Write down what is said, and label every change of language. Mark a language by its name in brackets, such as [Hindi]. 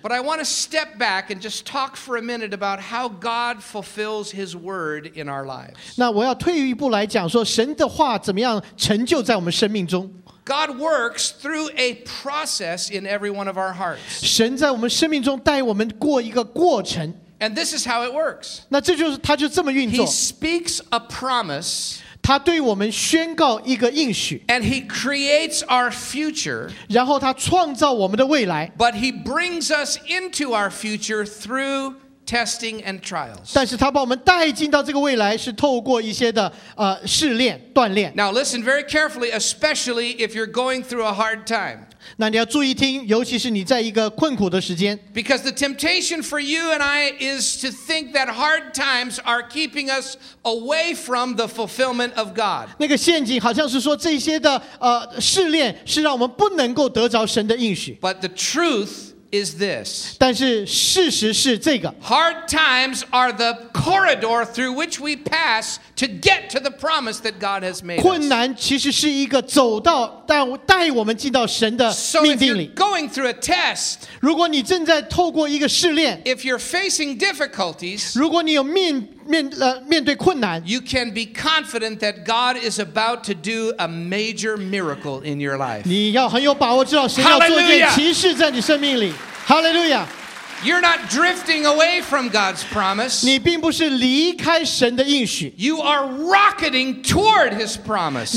[English] But I want to step back and just talk for a minute about how God fulfills His word in our lives. [Chinese] 那我要退一步来讲说神的话怎么样成就在我们生命中。 [English] God works through a process in every one of our hearts. [Chinese] 神在我们生命中带我们过一个过程。 [English] And this is how it works. [Chinese] 那这就是他就这么运作。 [English] He speaks a promise. [Chinese] 他对我们宣告一个应许 [English] and he creates our future, [Chinese] 然后他创造我们的未来 [English] but he brings us into our future through testing and trials. [Chinese] 但是他把我们带进到这个未来是透过一些的试炼锻炼 [English] Now listen very carefully, especially if you're going through a hard time. [Chinese] 那你要注意听尤其是你在一个困苦的时间 [English] because the temptation for you and I is to think that hard times are keeping us away from the fulfillment of God. [Chinese] 那个陷阱好像是说这些的试炼是让我们不能够得着神的应许 [English] but the truth is this. [Chinese] 但是事实是这个。 [English] Hard times are the corridor through which we pass to get to the promise that God has made us. [Chinese] 困难其实是一个走道带我们进到神的命定里。 [English] So if you're going through a test, [Chinese] 如果你正在透过一个试炼 [English] if you're facing difficulties, [Chinese] 如果你有面对困难 [English] you can be confident that God is about to do a major miracle in your life. [Chinese] 你要很有把握知道神要做一件奇事在你生命里 Hallelujah! [English] You're not drifting away from God's promise. You are rocketing toward His promise.